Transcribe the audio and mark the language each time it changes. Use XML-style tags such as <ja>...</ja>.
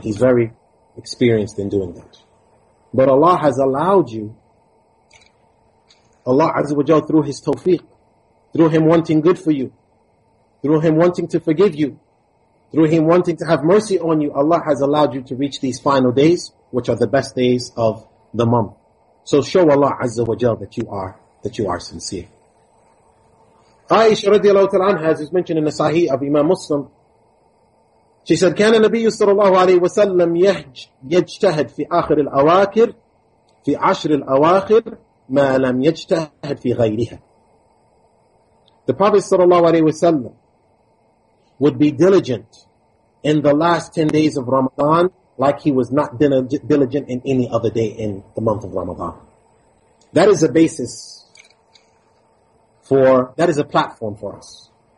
<en>He's very experienced in doing that. But Allah has allowed you, Allah Azza wa Jalla, through his tawfiq, through him wanting good for you, through him wanting to forgive you, through him wanting to have mercy on you, Allah has allowed you to reach these final days, which are the best days of the month. So show Allah Azza wa Jalla that you are sincere. Aisha radiallahu ta'ala anha, as is mentioned in the Sahih of Imam Muslim, she said,</en> <ar>كان النبي صلى الله عليه وسلم يجتهد في آخر الأواخر في عشر الأواخر ما لم يجتهد في غيرها.</ar> <en>The Prophet صلى الله عليه وسلم would be diligent in the last 10 days of Ramadan like he was not diligent in any other day in the month of Ramadan. That is a basis for, that is a platform for us.</en>